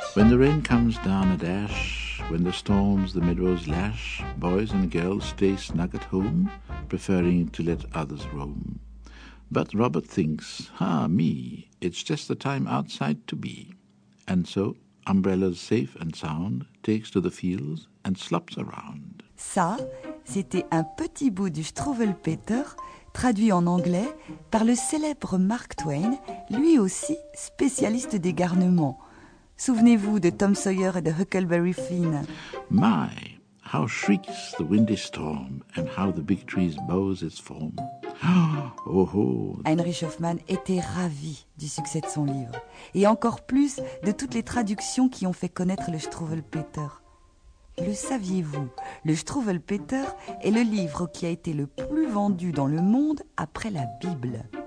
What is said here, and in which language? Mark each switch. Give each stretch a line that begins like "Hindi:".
English: When the rain comes down a dash, when the storms the meadows lash, boys and girls stay snug at home, preferring to let others roam. But Robert thinks, ah me, it's just the time outside to be. And so, umbrellas safe and sound, takes to the fields and slops around.
French: Ça, c'était un petit bout du Struwwelpeter, traduit en anglais par le célèbre Mark Twain, lui aussi spécialiste des garnements. Souvenez-vous de Tom Sawyer et de Huckleberry Finn.
English: My, how shrieks the windy storm and how the big trees bows its form. Oh, oh.
French: Heinrich Hoffmann était ravi du succès de son livre et encore plus de toutes les traductions qui ont fait connaître le Struwwelpeter. Le saviez-vous, le Struwwelpeter est le livre qui a été le plus vendu dans le monde après la Bible.